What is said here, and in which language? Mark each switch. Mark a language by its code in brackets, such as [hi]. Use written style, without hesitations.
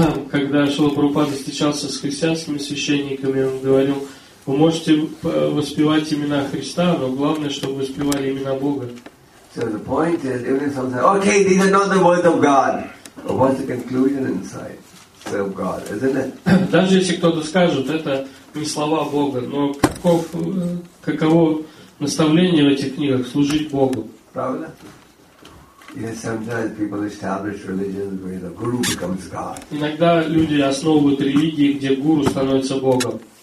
[ru] Когда Шрила Прабхупада встречался с христианскими священниками, он говорил, вы можете воспевать имена Христа, но главное, чтобы вы воспевали имена Бога. [en] So the point is, even if someone says, okay, these are not the words of God, but what's the conclusion inside? Say of God, isn't it? [ru] Даже если кто-то скажет, это не слова Бога, но каково наставление в этих книгах служить Богу? Правда? [en] Yes, sometimes people establish religions where the guru becomes God. [ru] Иногда люди основывают религии, где гуру становится Богом.